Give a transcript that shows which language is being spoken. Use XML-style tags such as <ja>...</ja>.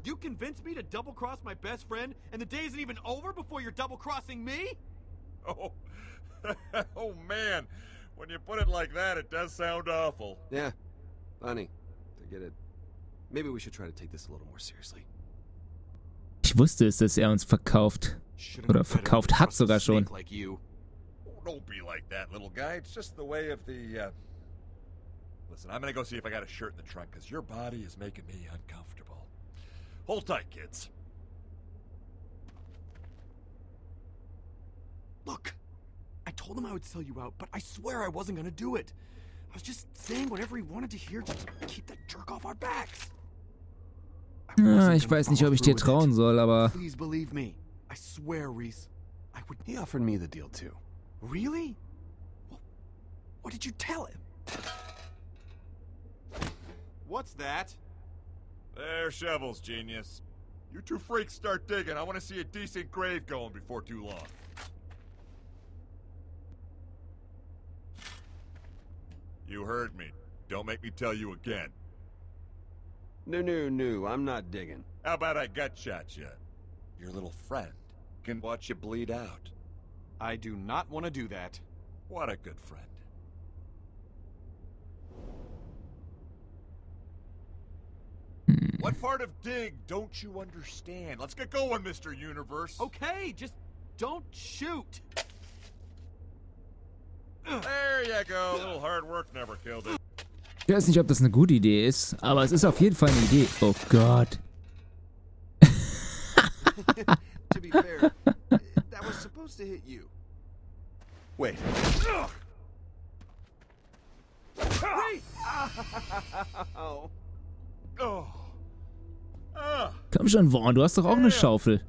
<en>You convinced me to double-cross my best friend, and the day isn't even over before you're double-crossing me? Oh. Oh, man. When you put it like that, it does sound awful. Yeah. Funny. I get it. Maybe we should try to take this a little more seriously.</en> <de>Ich wusste es, dass uns verkauft. Oder verkauft hat sogar schon.</de> <en>Like you. Oh, don't be like that, little guy. It's just the way of the, Listen, I'm gonna go see if I got a shirt in the trunk, because your body is making me uncomfortable. Hold tight, kids. Look, I told him I would sell you out, but I swear I wasn't gonna do it. I was just saying whatever he wanted to hear just to keep that jerk off our backs.</en> <de>Ich weiß nicht, ob ich dir trauen soll, aber...</de> <en>Please believe me. I swear, Reese, I would... He offered me the deal, too. Really? What did you tell him? What's that? They're shovels, genius. You two freaks start digging. I want to see a decent grave going before too long. You heard me. Don't make me tell you again. No, no, no. I'm not digging. How about I gut shot you? Your little friend can watch you bleed out. I do not want to do that. What a good friend. What part of dig don't you understand? Let's get going, Mr. Universe. Okay, just don't shoot. There you go. A little hard work never killed it.</en> <de>Ich weiß nicht, ob das eine gute Idee ist, aber es ist auf jeden Fall eine Idee. Oh Gott.</de> <en>To be fair, that was supposed to hit you. Wait.</en> <de>Komm schon, Vaughn, du hast doch auch eine Schaufel.</de>